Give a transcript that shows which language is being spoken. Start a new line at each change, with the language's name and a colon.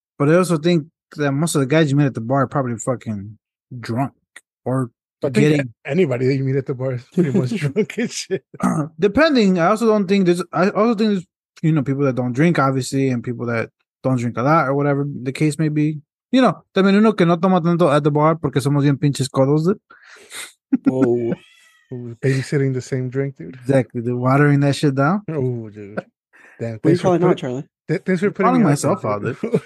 English: But I also think that most of the guys you meet at the bar are probably fucking drunk. Or getting anybody that you meet at the bar is pretty much drunk and shit. Depending. I also think there's, you know, people that don't drink, obviously, and people that don't drink a lot or whatever the case may be. You know,
Spanish: también uno que no toma tanto
English: at the bar
Spanish: porque somos bien pinches codos.
English: Oh, babysitting the same drink, dude. Exactly, the watering that shit down. Oh, dude. Damn, what are you calling out, Charlie? Thanks for putting calling myself out, dude.